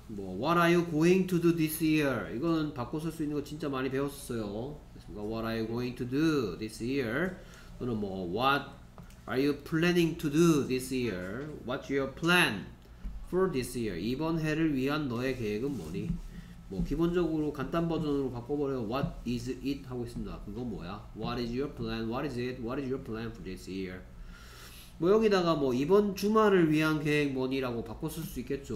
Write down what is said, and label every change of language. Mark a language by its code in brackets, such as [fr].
[en] 뭐 What are you going to do this year? [ko] 이거는 바꿔 쓸수 있는 거 진짜 많이 배웠었어요. [en] What are you going to do this year? [ko] 또는 뭐, [en] What are you planning to do this year? What's your plan for this year? [ko] 이번 해를 위한 너의 계획은 뭐니? 뭐 기본적으로 간단 버전으로 바꿔버려요. [en] What is it [ko] 하고 있습니다. 그건 뭐야? [en] What is your plan? What is it? What is your plan for this year? [ko] 뭐 여기다가 뭐 이번 주말을 위한 계획 뭐니라고 바꿔 쓸수 있겠죠.